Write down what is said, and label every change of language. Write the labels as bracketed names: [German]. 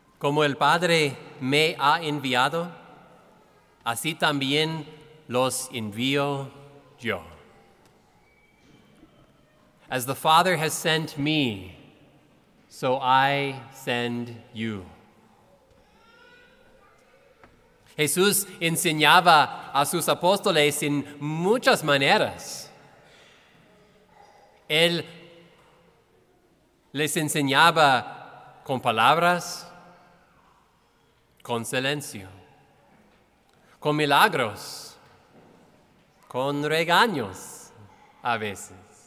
[Spanish] Como el Padre me ha enviado, así también los envío yo. [English] As the Father has sent me, so I send you. [Spanish] Jesús enseñaba a sus apóstoles en muchas maneras. Él les enseñaba con palabras, con silencio, con milagros, con regaños a veces.